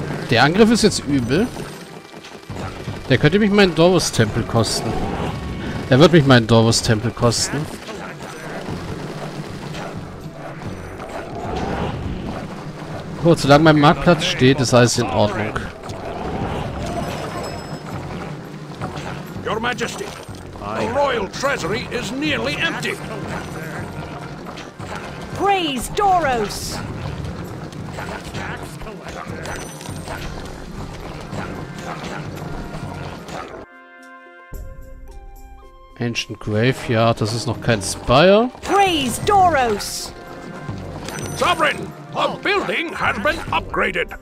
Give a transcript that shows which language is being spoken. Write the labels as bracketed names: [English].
[German] Der Angriff ist jetzt übel. Der könnte mich meinen Doros-Tempel kosten. Der wird mich meinen Doros-Tempel kosten. Gut, solange mein Marktplatz steht, ist alles in Ordnung. [English] Your Majesty, the royal treasury is nearly empty. Praise Doros! [German] Ancient Graveyard, das ist noch kein Spire. [English] Praise Doros! Sovereign, a building has been upgraded.